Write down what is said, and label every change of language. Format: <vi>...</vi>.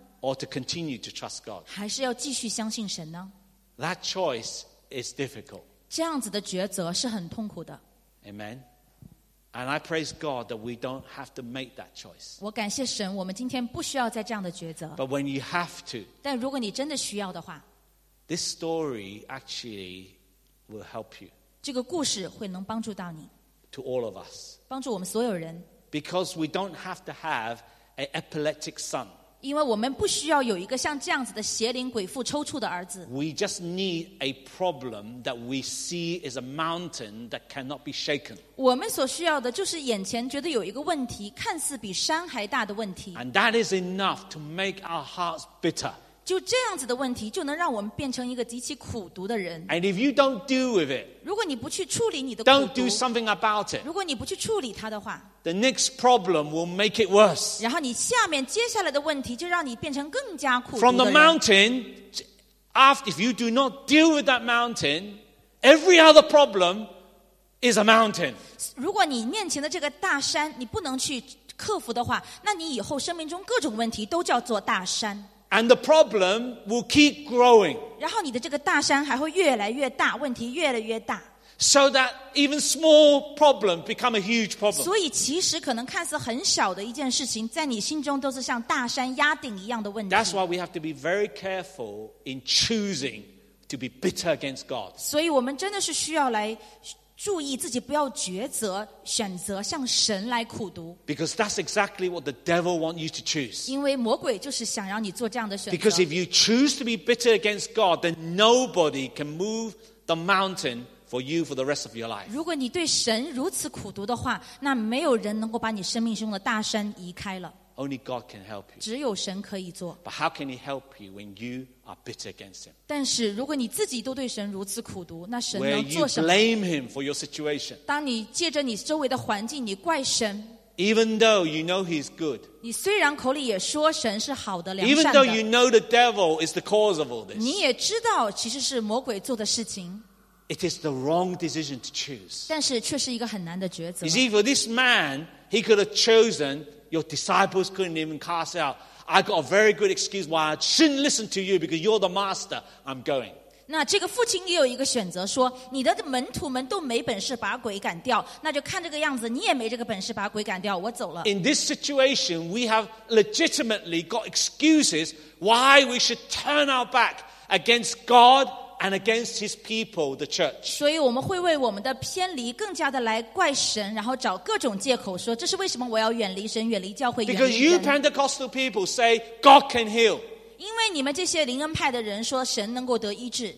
<en>Or to continue to trust God.</en> <zh>还是要继续相信神呢？</zh> <en>That choice is difficult.</en> <zh>这样子的抉择是很痛苦的。</zh> <en>Amen. And I praise God that we don't have to make that choice.</en> <zh>我感谢神，我们今天不需要再这样的抉择。</zh> <en>But when you have to,</en> <zh>但如果你真的需要的话，</zh> <en>this story actually will help you.</en> <zh>这个故事会能帮助到你。</zh> <en>To all of us,</en> <zh>帮助我们所有人</zh> <en>because we don't have to have an epileptic son.</en> <zh>因为我们不需要有一个像这样子的邪灵鬼附抽搐的儿子</zh> <en>We just need a problem that we see is a mountain that cannot be shaken.</en> <zh>我们所需要的就是眼前觉得有一个问题，看似比山还大的问题</zh> <en>And that is enough to make our hearts bitter.</en> <zh>就这样子的问题，就能让我们变成一个极其苦读的人</zh> <en>And if you don't deal with it.</en> <zh>如果你不去处理你的苦读</zh> <en>Don't do something about it.</en> <zh>如果你不去处理它的话</zh> <en>The next problem will make it worse.</en> <zh>然后你下面接下来的问题就让你变成更加苦读的人</zh> <en>From the mountain, if you do not deal with that mountain, every other problem is a mountain.</en> <zh>如果你面前的这个大山你不能去克服的话那你以后生命中各种问题都叫做大山</zh> <en>And the problem will keep growing.</en> <zh>然后你的这个大山还会越来越大，问题越来越大。</zh> <en>So that even small problem become a huge problem.</en> <zh>所以其实可能看似很小的一件事情，在你心中都是像大山压顶一样的问题。</zh> <en>That's why we have to be very careful in choosing to be bitter against God.</en> <zh>所以我们真的是需要来注意自己不要抉择，选择向神来苦读。</zh> <en>Because that's exactly what the devil wants you to choose.</en> <zh>因为魔鬼就是想让你做这样的选择。</zh> <en>Because if you choose to be bitter against God, then nobody can move the mountain for you for the rest of your life.</en> <zh>如果你对神如此苦读的话，那没有人能够把你生命中的大山移开了。</zh> <en>Only God can help you.</en> <zh>只有神可以做。</zh> <en>But how can He help you when you are bitter against him.</en> <zh>但是如果你自己都对神如此苦读，那神能做什么？</zh> <en>Where you blame him for your situation.</en> <zh>当你借着你周围的环境，你怪神。</zh> <en>Even though you know he's good.</en> <zh>你虽然口里也说神是好的、良善的。</zh> <en>Even though you know the devil is the cause of all this.</en> <zh>你也知道其实是魔鬼做的事情。</zh> <en>It is the wrong decision to choose.</en> <zh>但是却是一个很难的抉择。</zh> <en>You see, for this man, he could have chosen, your disciples couldn't even cast out. I got a very good excuse why I shouldn't listen to you because you're the master. I'm going.</en> <zh>那这个父亲也有一个选择说你的门徒们都没本事把鬼赶掉那就看这个样子你也没这个本事把鬼赶掉我走了。</zh> <en>In this situation, we have legitimately got excuses why we should turn our back against God and against his people, the church.</en> <zh>所以我们会为我们的偏离更加的来怪神然后找各种借口说这是为什么我要远离神远离教会远离人。</zh> <en>Because you Pentecostal people say God can heal.</en> <zh>因为你们这些灵恩派的人说神能够得医治。</zh>